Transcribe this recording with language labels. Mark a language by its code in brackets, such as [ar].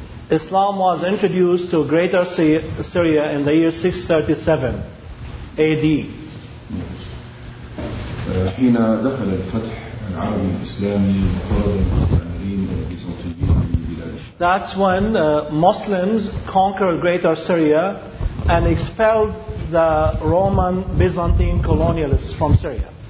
[en] Islam was introduced to Greater Syria in the year 637 AD. [ar] حين دخل الفتح العربي الإسلامي وطرد المستعمرين البيزنطيين [en] That's when Muslims conquered Greater Syria and expelled the Roman Byzantine colonialists from Syria.